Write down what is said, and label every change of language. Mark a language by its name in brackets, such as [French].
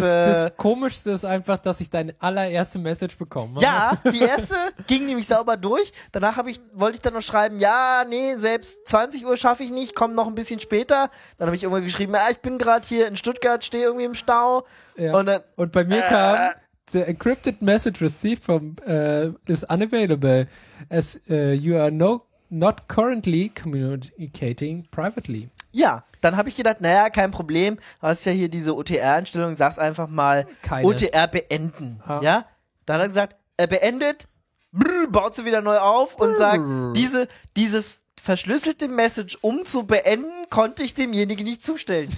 [German] Das Komischste ist einfach, dass ich deine allererste Message bekomme. Ja, die erste ging nämlich sauber durch. Danach wollte ich dann noch schreiben, ja, nee, selbst 20 Uhr schaffe ich nicht, komm noch ein bisschen später. Dann habe ich irgendwann geschrieben, ja, ich bin gerade hier in Stuttgart, stehe irgendwie im Stau. Ja. Und bei mir kam, [English] the encrypted message received from is unavailable as you are not currently communicating privately. [German] Ja, dann habe ich gedacht, naja, kein Problem, du hast ja hier diese OTR-Einstellung, sag's einfach mal, keine. OTR beenden. Ah. Ja, dann hat er gesagt, er beendet, baut sie wieder neu auf und sagt, diese verschlüsselte Message, um zu beenden, konnte ich demjenigen nicht zustellen.